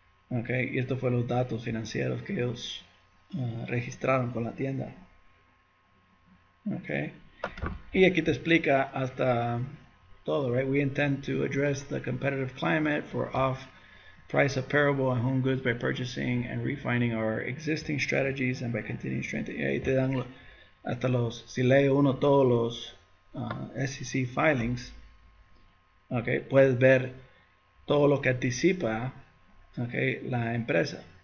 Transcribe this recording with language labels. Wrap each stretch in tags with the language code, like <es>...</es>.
<es>Y estos fueron los datos financieros que ellos registraron con la tienda. Y aquí te explica hasta todo, right?</es> <en>We intend to address the competitive climate for off-price apparel and home goods by purchasing and refining our existing strategies and by continuing strengthening.</en> <es>Y ahí te dan hasta los, si lee uno todos los SEC filings, puedes ver todo lo que anticipa. La empresa.</es>